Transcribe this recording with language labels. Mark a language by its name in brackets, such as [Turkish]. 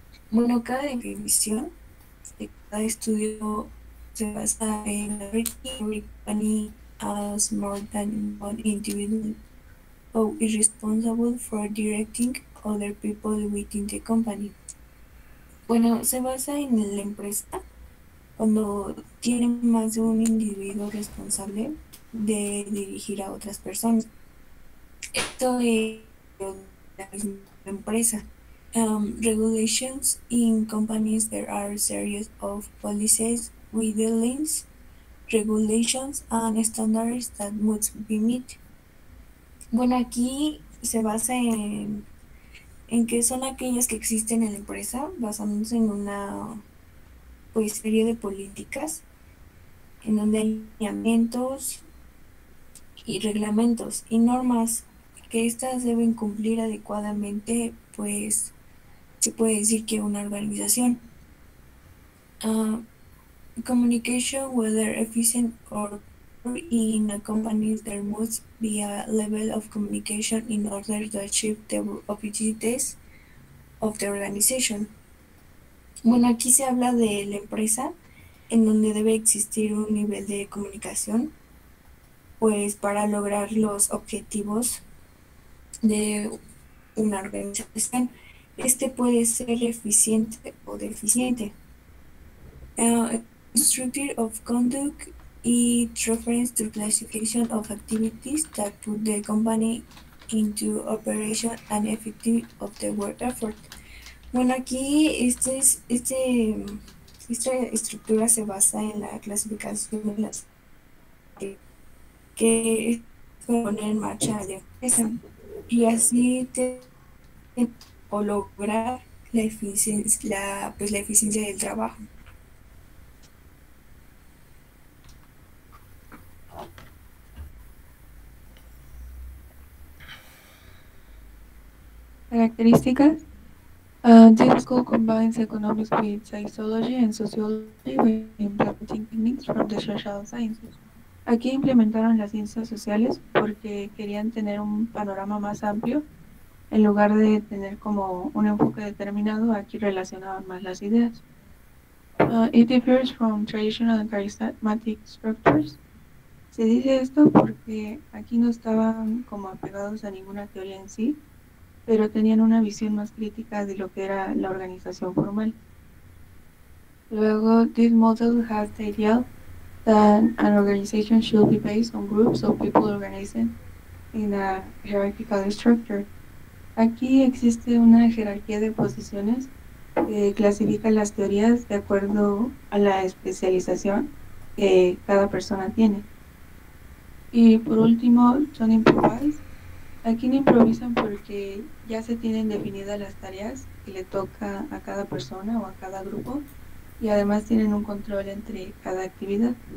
[Spanish] Bueno, cada definición de cada estudio se basa en [English] every company as more than one individual who is responsible for directing other people within the company. [Spanish] Bueno, se basa en la empresa cuando tiene más de un individuo responsable de dirigir a otras personas. Esto es la misma empresa. [English] Regulations in companies, there are a series of policies, guidelines, regulations and standards that must be met. [Spanish] Bueno, aquí se basa en qué son aquellas que existen en la empresa, basándose en una pues serie de políticas, en donde hay lineamientos y reglamentos y normas que éstas deben cumplir adecuadamente, pues se puede decir que una organización. [English] Communication, whether efficient or in a company, there must be a level of communication in order to achieve the objectives of the organization. [Spanish] Bueno, aquí se habla de la empresa en donde debe existir un nivel de comunicación, pues para lograr los objetivos de una organización. Este puede ser eficiente o deficiente. [English] Structure of conduct it reference to classification of activities that put the company into operation and effective of the work effort. [Spanish] Bueno, aquí esta estructura se basa en la clasificación de las que poner en marcha la empresa y así o lograr la eficiencia, pues la eficiencia del trabajo. [English] Characteristics. This school combines economics with psychology and sociology with implementing techniques from the social sciences. [Spanish] Aquí implementaron las ciencias sociales porque querían tener un panorama más amplio en lugar de tener como un enfoque determinado, aquí relacionaban más las ideas. [English] It differs from traditional charismatic structures. [Spanish] Se dice esto porque aquí no estaban como apegados a ninguna teoría en sí, pero tenían una visión más crítica de lo que era la organización formal. Luego, [English] this model has the ideal that an organization should be based on groups of people organizing in a hierarchical structure. [Spanish] Aquí existe una jerarquía de posiciones que clasifica las teorías de acuerdo a la especialización que cada persona tiene. Y por último, son improvised. Aquí no improvisan porque ya se tienen definidas las tareas que le toca a cada persona o a cada grupo y además tienen un control entre cada actividad.